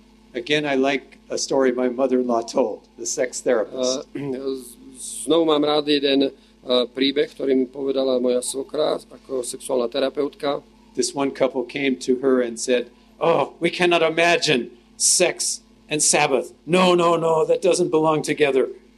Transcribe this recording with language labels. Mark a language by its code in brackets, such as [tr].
[en] Again, I like a story my mother-in-law told, the sex therapist. [sk] Znovu mám rád jeden príbeh, ktorý mi povedala moja svokra ako sexuálna terapeutka. [en] This one couple came to her and said, oh, we cannot imagine sex and Sabbath. No, no, no, that doesn't belong together.